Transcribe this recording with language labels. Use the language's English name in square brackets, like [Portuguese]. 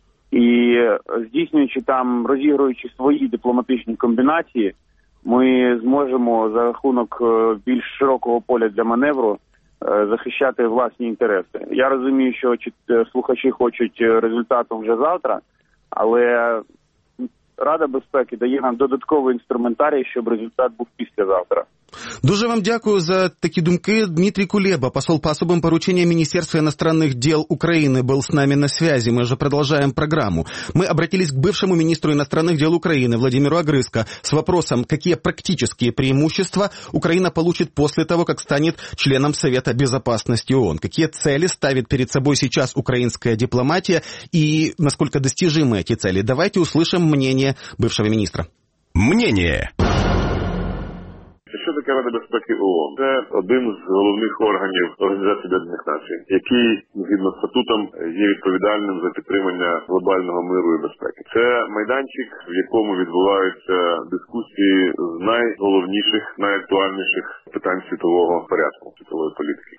[Ukrainian] І здійснюючи там, розігруючи свої дипломатичні комбінації, ми зможемо за рахунок більш широкого поля для маневру захищати власні інтереси. Я розумію, що слухачі хочуть результату вже завтра, але Рада безпеки дає нам додатковий інструментарій, щоб результат був післязавтра. Дуже вам дякую за такі думки. [Russian] Дмитрий Кулеба, посол по особым поручениям Министерства иностранных дел Украины, был с нами на связи. Мы же продолжаем программу. Мы обратились к бывшему министру иностранных дел Украины Владимиру Огрызко с вопросом, какие практические преимущества Украина получит после того, как станет членом Совета Безопасности ООН. Какие цели ставит перед собой сейчас украинская дипломатия и насколько достижимы эти цели. Давайте услышим мнение бывшего министра. Мнение. [Ukrainian] Що таке Рада безпеки ООН? Це один з головних органів Організації Об'єднаних Націй, який, згідно з статутом, є відповідальним за підтримання глобального миру і безпеки. Це майданчик, в якому відбуваються дискусії з найголовніших, найактуальніших питань світового порядку, світової політики.